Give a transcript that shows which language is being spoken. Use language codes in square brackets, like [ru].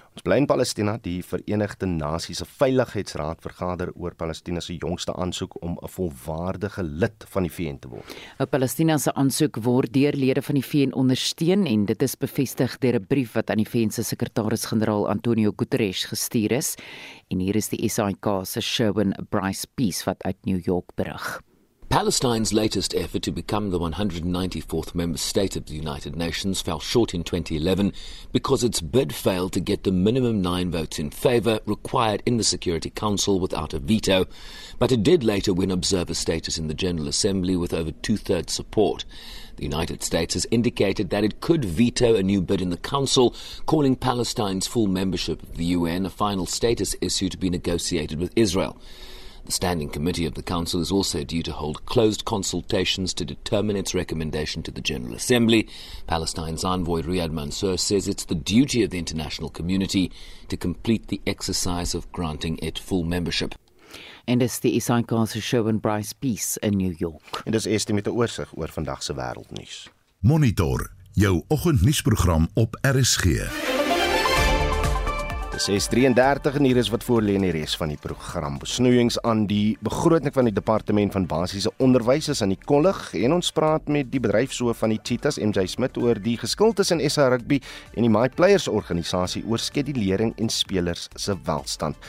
[af] Ons bly in Palestina, die Verenigde Nasies se Veiligheidsraad vergader oor Palestina se jongste aansoek om 'n volwaardige lid van die VN te word. 'n Palestina se aansoek word deur lede van die VN ondersteun en dit is bevestig deur 'n brief wat aan die VN se sekretaris-generaal Antonio Guterres gestuur is. En hier is die SAK se Sherwin Bryce Peace wat uit New York berig. [en] Palestine's latest effort to become the 194th member state of the United Nations fell short in 2011 because its bid failed to get the minimum 9 votes in favour required in the Security Council without a veto, but it did later win observer status in the General Assembly with over 2/3 support. The United States has indicated that it could veto a new bid in the Council, calling Palestine's full membership of the UN a final status issue to be negotiated with Israel. The Standing Committee of the Council is also due to hold closed consultations to determine its recommendation to the General Assembly. Palestine's envoy Riyad Mansour says it's the duty of the international community to complete the exercise of granting it full membership. [af] En dis die Isaacse show in Bryce Peace in New York. En dis eerste met 'n oorsig oor vandag se wêreldnuus. Monitor jou oggendnuusprogram op RSG. Dis 6:33 en hier is wat voor lê in die res van die program. Besnoeiings aan die begroting van die departement van basiese onderwys is aan die kollig en ons praat met die bedryfshoof van die Cheetahs MJ Smit oor die geskil tussen SA Rugby en die My Players organisasie oor skedulering en spelers se welstand.